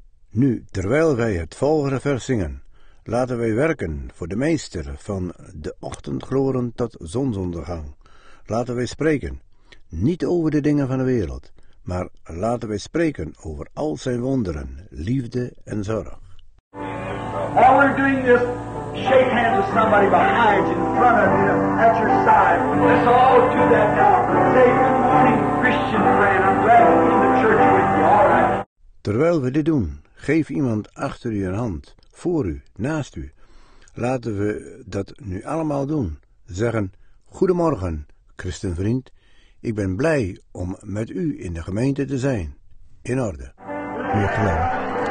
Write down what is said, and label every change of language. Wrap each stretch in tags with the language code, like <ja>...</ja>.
<nl>Nu, terwijl wij het volgende vers zingen, laten wij werken voor de meester van de ochtendgloren tot zonsondergang. Laten wij spreken, niet over de dingen van de wereld, maar laten wij spreken over al zijn wonderen, liefde en zorg.</nl> <en>While we're doing this, shake hands with somebody behind you, in front of you, at your side. Let's all do that now. Say good morning, Christian friend. I'm glad to be in the church with you. All right.</en> <nl>Terwijl we dit doen, geef iemand achter u een hand, voor u, naast u. Laten we dat nu allemaal doen. Zeggen, goedemorgen, christenvriend. Ik ben blij om met u in de gemeente te zijn. In orde. Meer geloof.</nl>